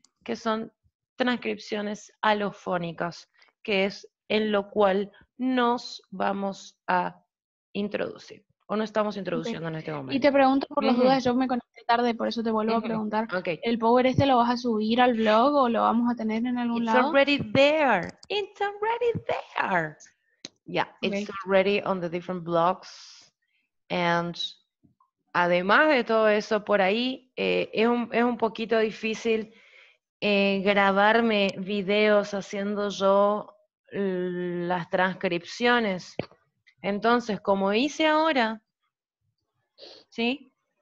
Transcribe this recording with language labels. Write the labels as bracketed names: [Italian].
[Spanish] que son transcripciones alofónicas, que es en lo cual nos vamos a introducir, o no estamos introduciendo en este momento. Y te pregunto por las dudas, yo me conecté tarde, por eso te vuelvo a preguntar, ¿el power este lo vas a subir al blog o lo vamos a tener en algún lado? [English] It's already there. Yeah, it's already on the different blogs, and... [Spanish] Además de todo eso, por ahí es un poquito difícil grabarme videos haciendo yo las transcripciones. Entonces, como hice ahora, ¿sí?